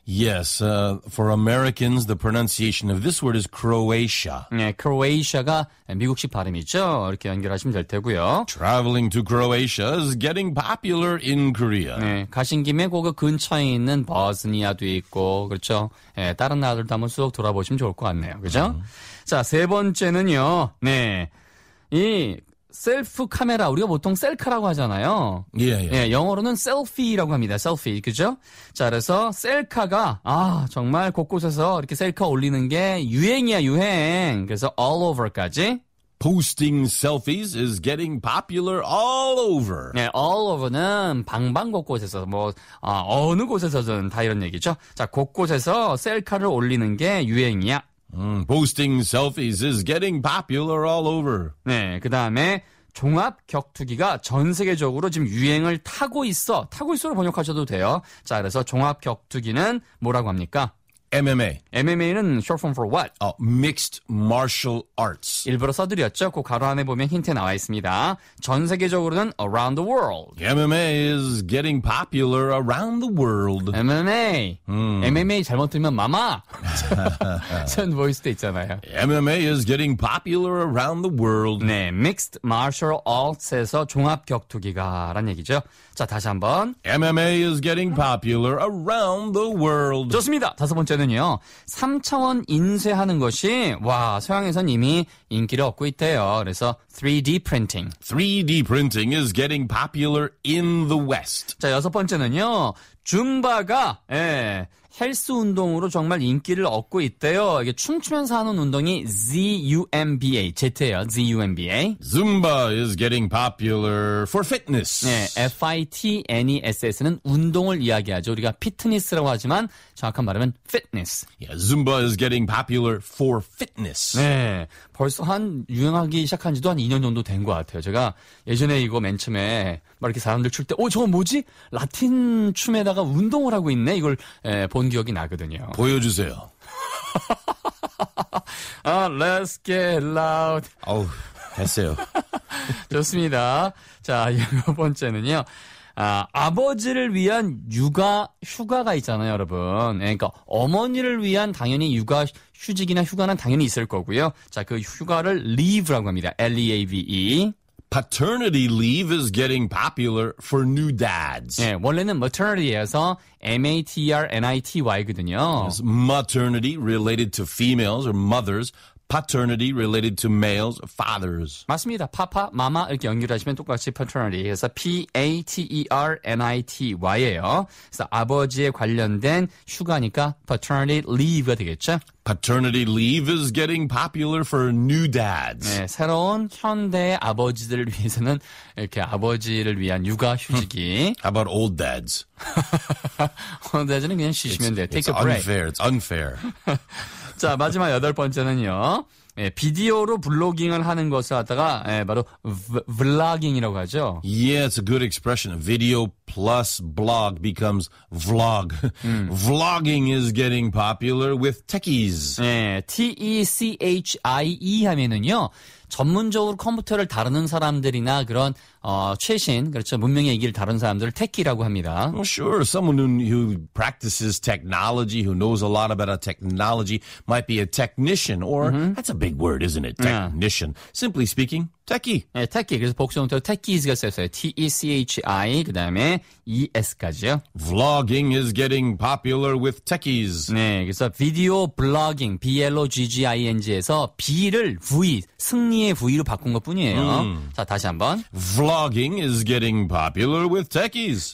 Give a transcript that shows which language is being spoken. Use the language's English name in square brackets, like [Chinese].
[English] Yes, for Americans, the pronunciation of this word is Croatia. [Korean] 네, Croatia가 미국식 발음이죠. 이렇게 연결하시면 될 테고요. [English] Traveling to Croatia is getting popular in Korea. [Korean] 네, 가신 김에 그 근처에 있는 버스니아도 있고, 그렇죠? 네, 다른 나라들도 한번 쑥 돌아보시면 좋을 것 같네요. 그렇죠? 자, 세 번째는요. 네, 이 셀프 카메라, 우리가 보통 셀카라고 하잖아요. 예, yeah, yeah. 예. 영어로는 셀피라고 합니다. 셀피, 그죠? 자, 그래서 셀카가, 아, 정말 곳곳에서 이렇게 셀카 올리는 게 유행이야, 유행. 그래서 [English] all over [Korean] 까지. [English] Posting selfies is getting popular all over. [Korean] 네, [English] all over [Korean] 는 방방곳곳에서 뭐 아, 어느 곳에서든 다 이런 얘기죠. 자, 곳곳에서 셀카를 올리는 게 유행이야. [English] Posting selfies is getting popular all over. [Korean] 네, 그 다음에 종합 격투기가 전 세계적으로 지금 유행을 타고 있어. 타고 있어로 번역하셔도 돼요. 자, 그래서 종합 격투기는 뭐라고 합니까? [English] MMA. MMA는 short form for what? Mixed martial arts. [Korean] 일부러 써드렸죠. 그 가로 안에 보면 힌트 나와 있습니다. 전 세계적으로는 [English] around the world. MMA is getting popular around the world. MMA. [Korean] MMA 잘못 들으면 마마. 전 보일 수도 있잖아요. [English] MMA is getting popular around the world. [Korean] 네, [English] mixed martial arts [Korean] 에서 종합 격투기가란 얘기죠. 자, 다시 한번. [English] MMA is getting popular around the world. [Korean] 좋습니다. 다섯 번째. 저는요. 3차원 인쇄하는 것이 와, 서양에선 이미 인기를 얻고 있대요. 그래서 3D printing. [English] 3D printing is getting popular in the West. [Korean] 자, 여섯 번째는요. 줌바가 예, 헬스 운동으로 정말 인기를 얻고 있대요. 이게 춤추면서 하는 운동이 Zumba, Z예요. [English] Zumba. Zumba is getting popular for fitness. [Korean] 네, fitness는 운동을 이야기하죠. 우리가 피트니스라고 하지만 정확한 말하면 fitness. [English] Yeah, Zumba is getting popular for fitness. [Korean] 네, 벌써 한 유행하기 시작한 지도 한 2년 정도 된 것 같아요. 제가 예전에 이거 맨 처음에 막 이렇게 사람들 출 때, 저거 뭐지? 라틴 춤에다가 운동을 하고 있네? 이걸 본 기억이 나거든요. 보여주세요. 아, [English] let's get loud. [Korean] 어우, 했어요. 좋습니다. 자, 여섯 번째는요. 아, 아버지를 위한 휴가가 있잖아요, 여러분. 네, 그러니까 어머니를 위한 당연히 육아 휴직이나 휴가는 당연히 있을 거고요. 자, 그 휴가를 leave라고 합니다. [English] L-E-A-V-E. Paternity leave is getting popular for new dads. [Korean] 네, 원래는 maternity에서 M-A-T-E-R-N-I-T-Y거든요. [English] It's maternity related to females or mothers. Paternity related to males, fathers. [Korean] 맞습니다. Papa, Mama 이렇게 연결하시면 똑같이 paternity. 그래서 P-A-T-E-R-N-I-T-Y예요. 그래서 아버지에 관련된 휴가니까 paternity leave가 되겠죠? [English] Paternity leave is getting popular for new dads. [Korean] 네, 새로운 현대의 아버지들을 위해서는 이렇게 아버지를 위한 육아 휴직이. [English] How about old dads? [Korean] old dads는 그냥 쉬시면 돼요. [English] Take a unfair. break. It's unfair. It's unfair. [Korean] 자, 마지막 여덟 번째는요. 예, 비디오로 블로깅을 하는 것을 하다가 예, 바로 블로깅이라고 하죠. [English] Yeah, it's a good expression. Video plus blog becomes vlog. Vlogging is getting popular with techies. [Korean] 예, T-E-C-H-I-E 하면은요. 전문적으로 컴퓨터를 다루는 사람들이나 그런 최신 그렇죠 문명의 얘기를 다루는 사람들을 테키라고 합니다. [English] Well, sure, someone who practices technology, who knows a lot about a technology, might be a technician. Or mm-hmm. that's a big word, isn't it? Technician. Yeah. Simply speaking, [Korean] 테키. 네, 테키. 그래서 복수형태로 테키즈가 쓰였어요. T-E-C-H-I, 그 다음에 E-S까지요. [English] Vlogging is getting popular with techies. [Korean] 네, 그래서 video blogging, B-L-O-G-G-I-N-G에서 B를 V, 승리의 V로 바꾼 것뿐이에요. 자, 다시 한번. [English] Vlogging is getting popular with techies.